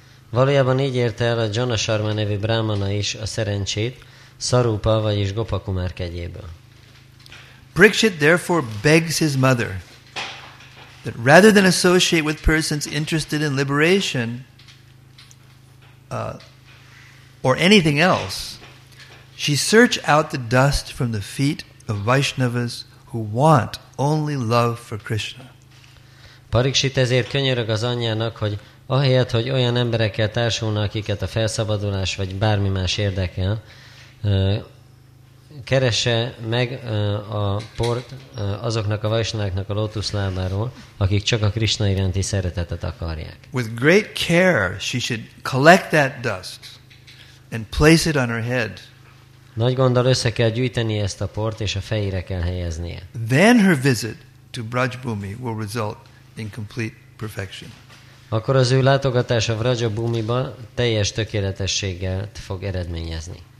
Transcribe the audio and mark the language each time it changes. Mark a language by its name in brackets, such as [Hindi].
[Hungarian] Valójában így érte el a Jana Sharma nevű Brahmana is a szerencsét Sarupa, vagyis Gopakumar kegyéből. [English] Prikshit therefore begs his mother that rather than associate with persons interested in liberation or anything else, she search out the dust from the feet of Vaishnavas who want only love for Krishna. [Hungarian] Parikshit ezért könyörög az anyjának, hogy ahelyett, hogy olyan emberekkel társulna, akiket a felszabadulás vagy bármi más érdekel, keresse meg a port azoknak a Vaishnavaknak a lótuszlábáról, akik csak a Krishna iránti szeretetet akarják. [English] With great care she should collect that dust and place it on her head. [Hungarian] Nagy gonddal össze kell gyűjteni ezt a port, és a fejére kell helyeznie. [English] Then her visit to Brajbhumi will result in complete perfection. [Hungarian] Akkor az ő látogatása Vrajabhumiba teljes tökéletességet fog eredményezni.